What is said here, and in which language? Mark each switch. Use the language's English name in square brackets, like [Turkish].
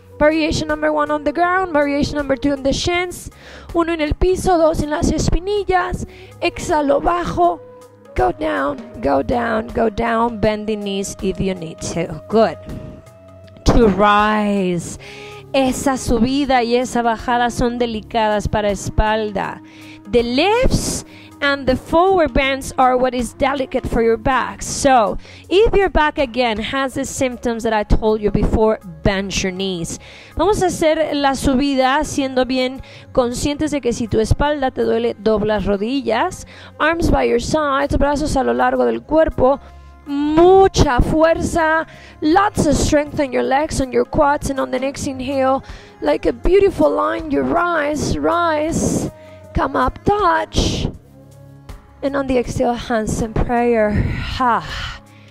[English] Variation number one on the ground, variation number two on the shins, [Spanish] uno en el piso, dos en las espinillas, exhalo bajo, [English] go down, go down, go down, bend the knees if you need to, good. To rise, [Spanish] esa subida y esa bajada son delicadas para espalda. [English] The lifts and the forward bends are what is delicate for your back. So, if your back again has the symptoms that I told you before, bend your knees. [Spanish] Vamos a hacer la subida siendo bien conscientes de que si tu espalda te duele, doblas rodillas. [English] Arms by your sides, [Spanish] brazos a lo largo del cuerpo. Mucha fuerza, [English] lots of strength in your legs and your quads. And on the next inhale, like a beautiful line, you rise, rise, come up, touch. And on the exhale, hands in prayer. Ha.